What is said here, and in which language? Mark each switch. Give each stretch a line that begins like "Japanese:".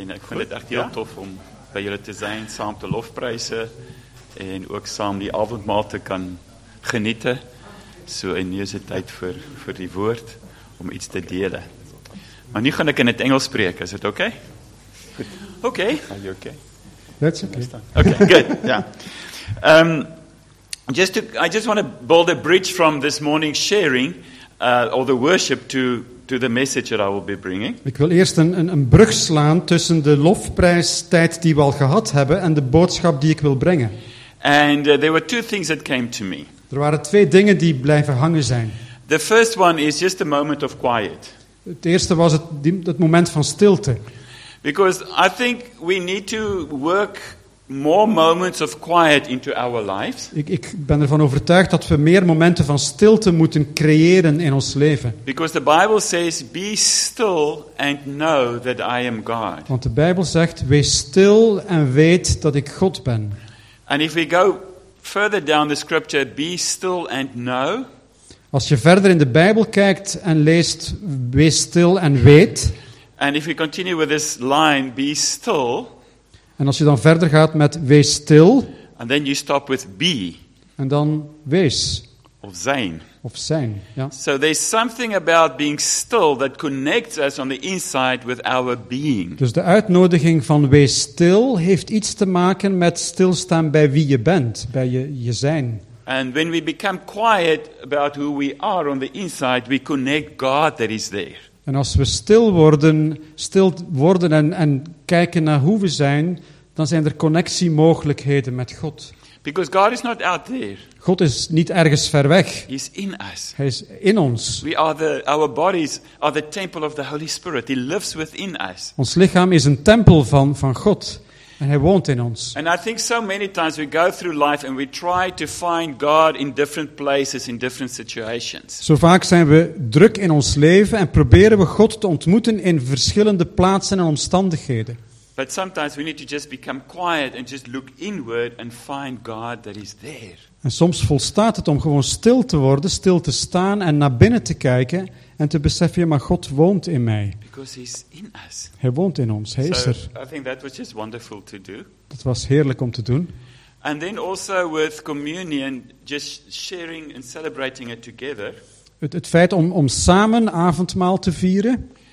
Dutch: En ik vind het echt heel tof om bij jullie te zijn, saam te lofprijzen en ook saam die avondmaal te kan genieten. So, en nu is het tijd voor die woord om iets te delen. Maar nu ga ik in het Engels spreken, is het oké? Oké.
English: Are you okay? That's okay. Okay, good, I just want to build a bridge from this morning's sharing, or the worship, to the message that I will be bringing.
Dutch: Ik wil eerst een brug slaan tussen de lofprijstijd die we al gehad hebben en de boodschap die ik wil brengen.
English: And there were two things that came to me.
Dutch: Er waren twee dingen die blijven hangen zijn.
English: The first one is just a moment of quiet.
Dutch: Het eerste was het moment van stilte.
English: Because I think we need to work more moments of quiet into our lives.
Dutch: Ik ben ervan overtuigd dat we meer momenten van stilte moeten creëren in ons leven.
English: Because the Bible says, be still and know that I am God.
Dutch: Want de Bijbel zegt, wees stil en weet dat ik God ben.
English: And if we go further down the scripture, be still and know.
Dutch: Als je verder in de Bijbel kijkt en leest, wees stil en weet.
English: And if we continue with this line, be still.
Dutch: En als je dan verder gaat met wees stil.
English: And then you stop with be.
Dutch: En dan wees. Of zijn. Of zijn, ja.
English: So there's something about being still that connects us on the inside with our being.
Dutch: Dus de uitnodiging van wees stil heeft iets te maken met stilstaan bij wie je bent, bij je zijn.
English: And when we become quiet about who we are on the inside, we connect God that is there.
Dutch: En als we stil worden en kijken naar hoe we zijn, dan zijn er connectiemogelijkheden met God.
English: Because God is not out there.
Dutch: God is niet ergens ver weg.
English: He's in us.
Dutch: Hij is in ons.
English: We are our bodies are the temple of the Holy Spirit. He lives within us.
Dutch: Ons lichaam is een tempel van God. En hij woont in ons.
English: And I think so many times we go through life and we try to find God in different places, in different situations.
Dutch: Zo vaak zijn we druk in ons leven en proberen we God te ontmoeten in verschillende plaatsen en omstandigheden.
English: But sometimes we need to just become quiet and just look inward and find God that is there.
Dutch: En soms volstaat het om gewoon stil te worden, stil te staan en naar binnen te kijken en te beseffen, ja, maar God woont in mij.
English: Because he's in us.
Dutch: Hij woont in ons, hij is er.
English: I think that was just wonderful to do.
Dutch: Dat was heerlijk om te doen.
English: And then also with communion, just sharing and celebrating it together.
Dutch: Het feit om samen avondmaal te vieren.